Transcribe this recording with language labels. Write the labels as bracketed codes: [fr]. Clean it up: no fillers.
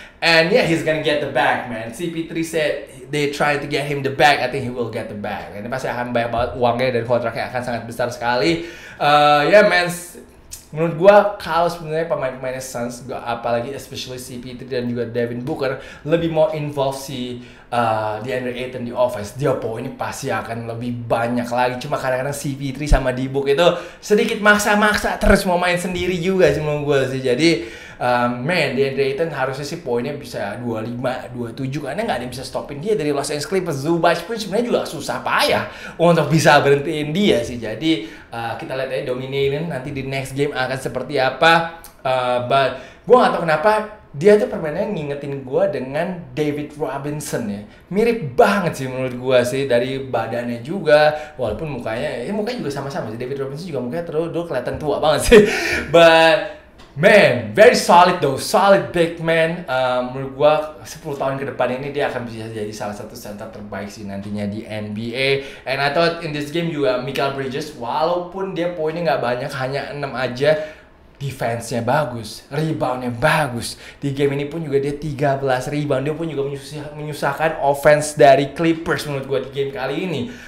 [en] And yeah, he's gonna get the bag, man. CP3 said they trying to get him the bag. I think he will get the bag. [id] Ini pasti akan banyak banget uangnya dan kontraknya akan sangat besar sekali. [en] Yeah, man. [id] Menurut gue, kalau sebenarnya pemain-pemainnya Suns, apalagi especially CP3 dan juga Devin Booker, lebih mau involve si DeAndre Ayton di offense, dia poinnya pasti akan lebih banyak lagi. Cuma kadang-kadang CP3 sama D-Book itu sedikit maksa-maksa terus mau main sendiri juga sih menurut gue sih. Jadi, man, DeAndre Ayton harusnya sih poinnya bisa 25, 27, karena nggak ada yang bisa stopin dia dari Los Angeles Clippers. Zubac pun sebenarnya juga susah payah untuk bisa berhentiin dia sih. Jadi, kita lihat aja dominating nanti di next game akan seperti apa. But gue nggak tahu kenapa dia tuh permainannya ngingetin gue dengan David Robinson ya. Mirip banget sih menurut gue sih dari badannya juga, walaupun mukanya mukanya juga sama-sama sih. David Robinson juga mukanya terus kelihatan tua banget sih. [en] But man, very solid though, solid big man. [id] Menurut gue 10 tahun ke depan ini dia akan bisa jadi salah satu center terbaik sih nantinya di NBA. [en] And I thought in this game [id] juga Mikal Bridges, walaupun dia poinnya gak banyak, hanya 6 aja, defense-nya bagus, rebound-nya bagus. Di game ini pun juga dia 13 rebound, dia pun juga menyusahkan offense dari Clippers menurut gue di game kali ini.